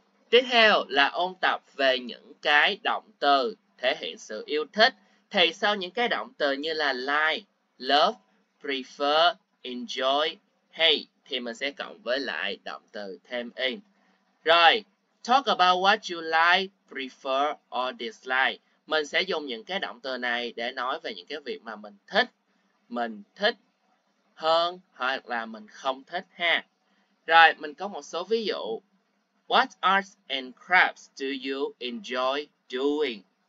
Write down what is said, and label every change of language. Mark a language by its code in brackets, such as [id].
[vi] Tiếp theo là ôn tập về những cái động từ thể hiện sự yêu thích. Thì sau những cái động từ như là like, love, prefer, enjoy, hate thì mình sẽ cộng với lại động từ thêm in. Rồi, [en] talk about what you like, prefer, or dislike. [vi] Mình sẽ dùng những cái động từ này để nói về những cái việc mà mình thích hơn hoặc là mình không thích ha. Rồi, mình có một số ví dụ. [en] What arts and crafts do you enjoy doing?